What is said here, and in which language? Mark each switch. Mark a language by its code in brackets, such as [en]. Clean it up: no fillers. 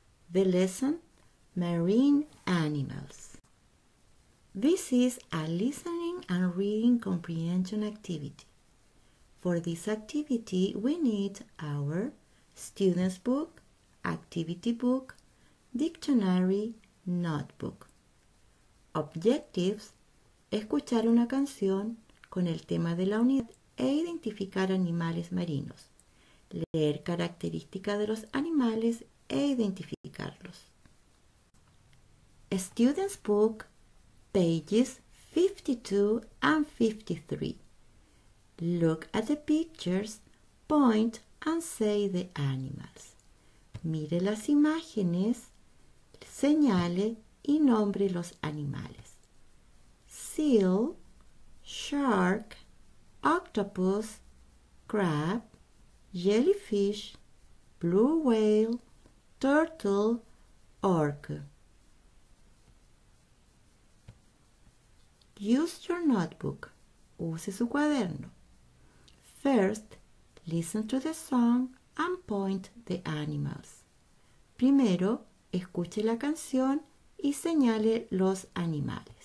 [en] The lesson, Marine Animals. This is a listening and reading comprehension activity. For this activity, we need our student's book, activity book, dictionary, notebook. [es] Objectives: escuchar una canción con el tema de la unidad e identificar animales marinos. Leer características de los animales e identificarlos. [en] A student's book, pages 52 and 53. Look at the pictures, point and say the animals. [es] Mire las imágenes, señale y nombre los animales. [en] Seal, shark, octopus, crab, jellyfish, blue whale, turtle, orca. Use your notebook. [es] Use su cuaderno. [en] First, listen to the song and point the animals. [es] Primero, escuche la canción y señale los animales.